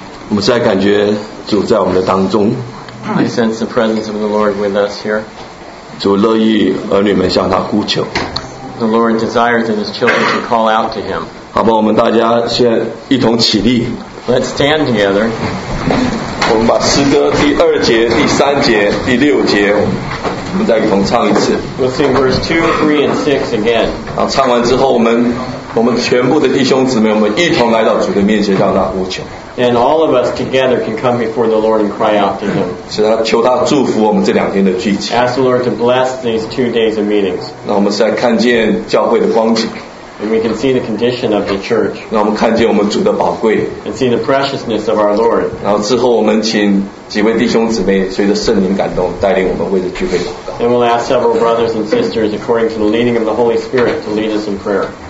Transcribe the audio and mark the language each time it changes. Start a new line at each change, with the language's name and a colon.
Chinese: 们实在感觉主在我们的当中。
English: I sense the presence of the Lord with us here.
Chinese: 主乐意儿女们向他呼求。
English: The Lord desires that his children should call out to him.
Chinese: 好吧，我们大家先一同起立。
English: Let's stand together.
Chinese: 我们把诗歌第二节、第三节、第六节，我们再一同唱一次。
English: We'll sing verse 2, 3, and 6 again.
Chinese: 好，唱完之后我们全部的弟兄姊妹，我们一同来到主的面前，向他呼求。
English: And all of us together can come before the Lord and cry out to Him.
Chinese: 求他祝福我们这两天的聚集。
English: Ask the Lord to bless these 2 days of meetings.
Chinese: 让我们再看见教会的光景。
English: And we can see the condition of the church.
Chinese: 让我们看见我们主的宝贵。
English: And see the preciousness of our Lord.
Chinese: 然后之后我们请几位弟兄姊妹随着圣灵感动带领我们为着聚会祷告。
English: And we'll ask several brothers and sisters according to the leading of the Holy Spirit to lead us in prayer.